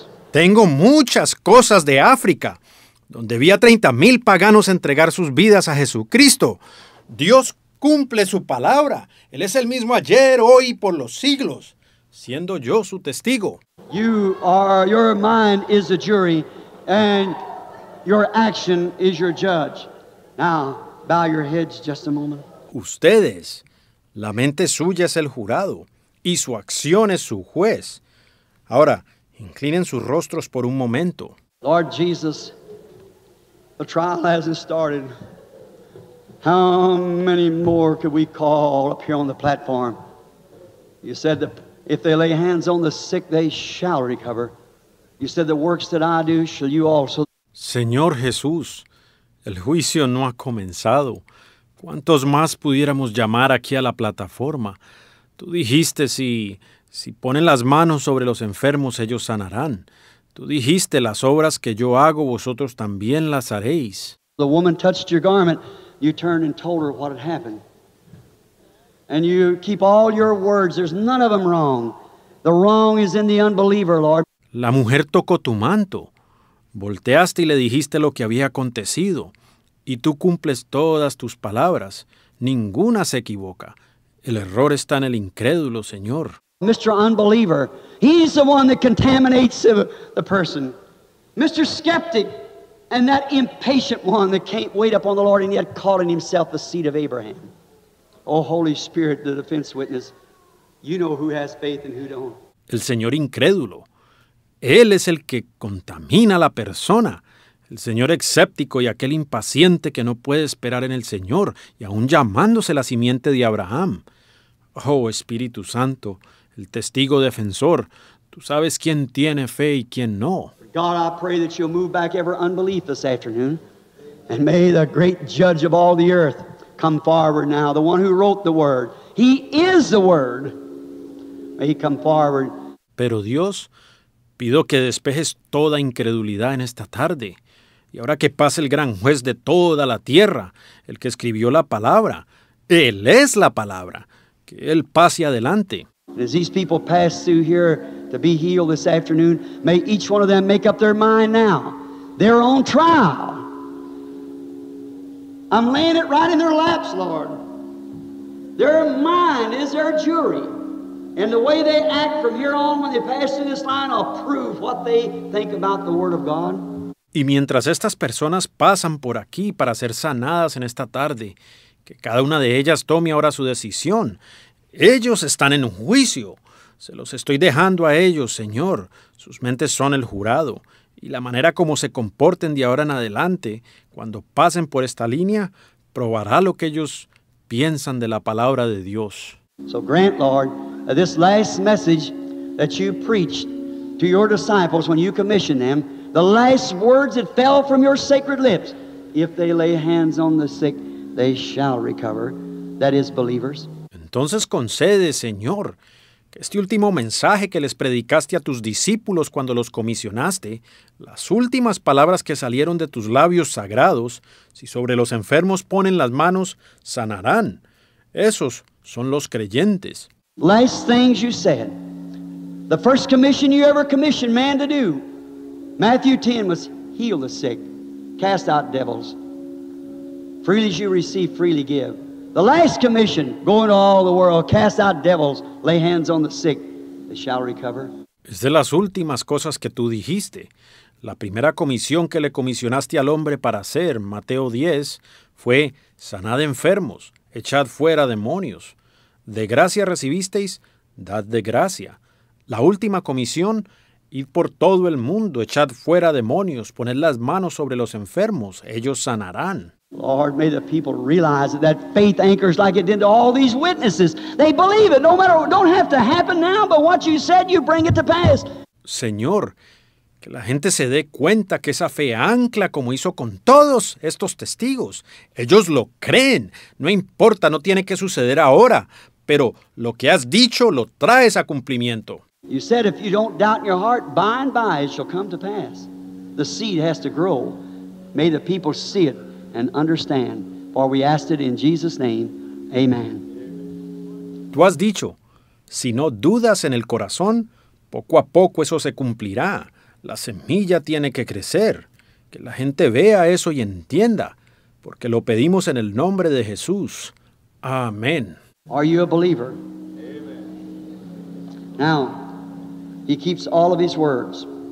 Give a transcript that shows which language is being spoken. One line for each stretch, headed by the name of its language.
Spanish: Tengo muchas cosas de África, donde vi a 30,000 paganos entregar sus vidas a Jesucristo. Dios cumple su palabra. Él es el mismo ayer, hoy y por los siglos, siendo yo su testigo.
English: You are, your mind is the jury, and your action is your judge. Now, bow your heads just a moment.
Spanish: Ustedes, la mente suya es el jurado, y su acción es su juez. Ahora, inclinen sus rostros por un momento.
English: Lord Jesus, the trial hasn't started. How many more could we call up here on the platform? You said that if they lay hands on the sick, they shall recover. You said the works that I do, shall you also.
Spanish: Señor Jesús, el juicio no ha comenzado. ¿Cuántos más pudiéramos llamar aquí a la plataforma? Tú dijiste, si ponen las manos sobre los enfermos, ellos sanarán. Tú dijiste, las obras que yo hago, vosotros también las haréis.
English: The woman touched your garment. You turned and told her what had happened. And you keep all your words. There's none of them wrong. The wrong is in the unbeliever, Lord.
Spanish: La mujer tocó tu manto. Volteaste y le dijiste lo que había acontecido. Y tú cumples todas tus palabras. Ninguna se equivoca. El error está en el incrédulo, Señor.
English: Mr. Unbeliever, he's the one that contaminates the person. Mr. Skeptic. And that impatient one that can't wait upon the Lord and yet calling himself the seed of Abraham. Oh, Holy Spirit, the defense witness, you know who has faith and who don't.
Spanish: El Señor incrédulo. Él es el que contamina la persona. El Señor escéptico y aquel impaciente que no puede esperar en el Señor y aún llamándose la simiente de Abraham. Oh, Espíritu Santo, el testigo defensor, tú sabes quién tiene fe y quién no.
English: God, I pray that you'll move back every unbelief this afternoon. And may the great judge of all the earth come forward now. The one who wrote the word. He is the word. May he come forward.
Spanish: Pero Dios, pido que despejes toda incredulidad en esta tarde. Y ahora que pase el gran juez de toda la tierra, el que escribió la palabra, Él es la palabra. Que Él pase adelante.
English: As these people pass through here, to be healed this afternoon, may each one of them make up their mind now. They're on trial. I'm laying it right in their laps, Lord. Their mind is their jury. And the way they act from here on when they pass through this line, I'll prove what they think about the Word of God.
Spanish: Y mientras estas personas pasan por aquí para ser sanadas en esta tarde, que cada una de ellas tome ahora su decisión. Ellos están en juicio. Se los estoy dejando a ellos, Señor. Sus mentes son el jurado. Y la manera como se comporten de ahora en adelante, cuando pasen por esta línea, probará lo que ellos piensan de la palabra de Dios.
English: So grant, Lord, this last message that you preached to your disciples when you commissioned them, the last words that fell from your sacred lips, if they lay hands on the sick, they shall recover. That is, believers.
Spanish: Entonces concede, Señor, que este último mensaje que les predicaste a tus discípulos cuando los comisionaste, las últimas palabras que salieron de tus labios sagrados, si sobre los enfermos ponen las manos, sanarán. Esos son los creyentes.
English: Last things you said. The first commission you ever commissioned man to do. Matthew 10 was heal the sick, cast out devils. Freely as you receive, freely give. The last commission, go into all the world, cast out devils, lay hands on the sick, they shall recover.
Spanish: Es de las últimas cosas que tú dijiste. La primera comisión que le comisionaste al hombre para hacer, Mateo 10, fue sanad enfermos, echad fuera demonios. De gracia recibisteis, dad de gracia. La última comisión, id por todo el mundo, echad fuera demonios, poned las manos sobre los enfermos, ellos sanarán.
English: Lord, may the people realize that faith anchors like it did to all these witnesses. They believe it, no matter, don't have to happen now, but what you said, you bring it to pass.
Spanish: Señor, que la gente se dé cuenta que esa fe ancla como hizo con todos estos testigos. Ellos lo creen, no importa, no tiene que suceder ahora, pero lo que has dicho lo traes a cumplimiento.
English: You said if you don't doubt in your heart, by and by it shall come to pass. The seed has to grow. May the people see it and understand, for we ask it in Jesus' name. Amen.
Spanish: Tú has dicho, si no dudas en el corazón, poco a poco eso se cumplirá. La semilla tiene que crecer. Que la gente vea eso y entienda, porque lo pedimos en el nombre de Jesús. Amén.
English: Are you a believer? Amen. Now, he keeps all of his words.